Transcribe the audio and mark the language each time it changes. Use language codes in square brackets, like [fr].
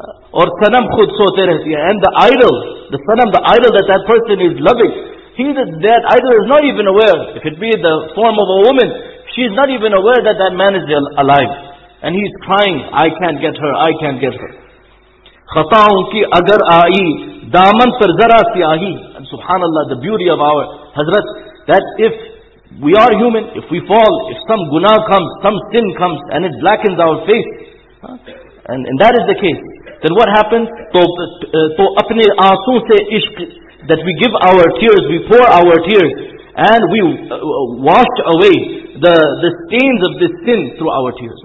[ur] Or sanam khud sote rehti hai. [en] And the idol, the sanam, the idol that that person is loving, that idol is not even aware. If it be the form of a woman, she is not even aware that that man is alive. And he's crying, I can't get her, I can't get her. [ur] خطاؤں کی اگر آئی دامن پر ذرا سیاہی. [en] And subhanallah, the beauty of our Hazrat, that if we are human, if we fall, if some guna comes, some sin comes, and it blackens our face, and that is the case, then what happens? [ur] تو اپنے آنسوں سے عشق, [en] that we give our tears, we pour our tears, and we wash away the stains of this sin through our tears.